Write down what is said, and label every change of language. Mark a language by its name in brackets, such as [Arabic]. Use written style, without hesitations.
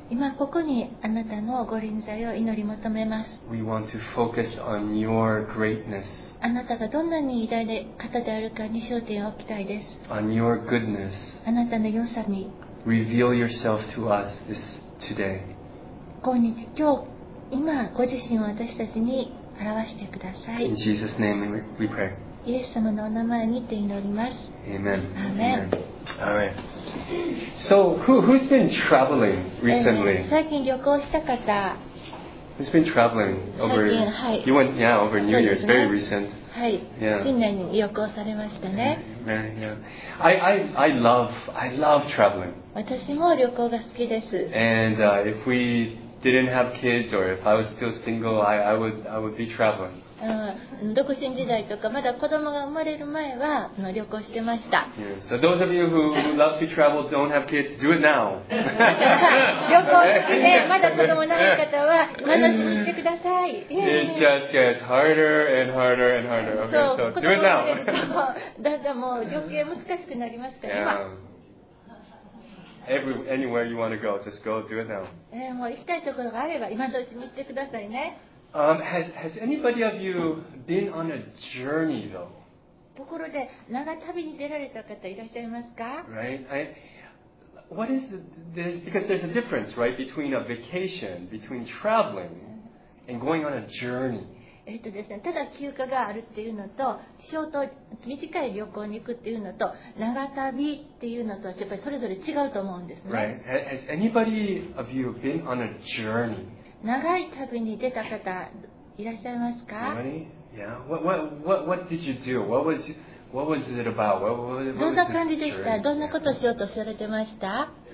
[Japanese] 今ここにあなたのご臨在を祈り求めます。 [English] We want to focus on your greatness. [Japanese] あなたがどんなに偉大な方であるかに焦点を置きたいです。 [English] On your goodness. [Japanese] あなたの良さに。 [English] Reveal yourself to us this today. [Japanese] 今日、今ご自身を私たちに表してください。 [English] In Jesus' name we pray. [Japanese] イエス様のお名前にて祈ります。 [English] Amen. Amen. All right. So, who's been traveling recently? [Japanese] 最近旅行した方。 [English] Who's been traveling over? [Japanese] 最近、はい、 [English] you went, yeah, over New Year's, very recent. [Japanese] はい。新年に旅行されましたね。 [English] I love traveling. [Japanese] 私も旅行が好きです。 [English] And if we didn't have kids or if I was still single, I would be traveling. [Japanese] 独身時代とかまだ子供が生まれる前は旅行してました。 [English] So those of you who love to travel don't have kids, do it now. [Japanese] 旅行でまだ子供ない方は楽しみにしてください。 [English] It just gets harder and harder and harder. Okay, so do it now. [Japanese] だんだんもう旅行難しくなりますから。 [English] Anywhere you want to go, just go do it now. [Japanese] もう行きたいところがあれば今のうちに行ってくださいね。 [English] Has anybody of you been on a journey though? [Japanese] ところで長旅に出られた方いらっしゃいますか? [English] Right. What is this? Because there's a difference, right, between a vacation, between traveling, and going on a journey. [Japanese] ですね、ただ休暇があるっていうのと、ショート短い旅行に行くっていうのと、長旅っていうのとはやっぱりそれぞれ違うと思うんですね。 [English] Right. Has anybody of you been on a journey? [Japanese] 長い旅に出た方いらっしゃいますか? [English] Yeah. What did you do? What was What was it about? What was [Japanese] どんな感じでした？どんなことをしようとされてました？